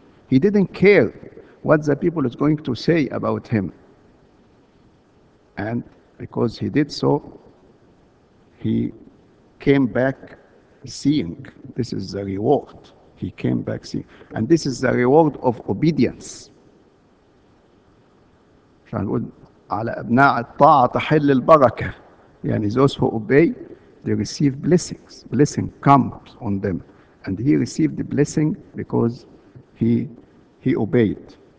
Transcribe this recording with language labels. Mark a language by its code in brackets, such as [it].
[en] He didn't care what the people is going to say about him. And because he did so, he came back seeing. This is the reward. He came back seeing. And this is the reward of obedience. [ar] على أبناء الطاعة تحل البركة. [en] يعني those who obey, they receive blessings. Blessing comes on them. And he received the blessing because he obeyed.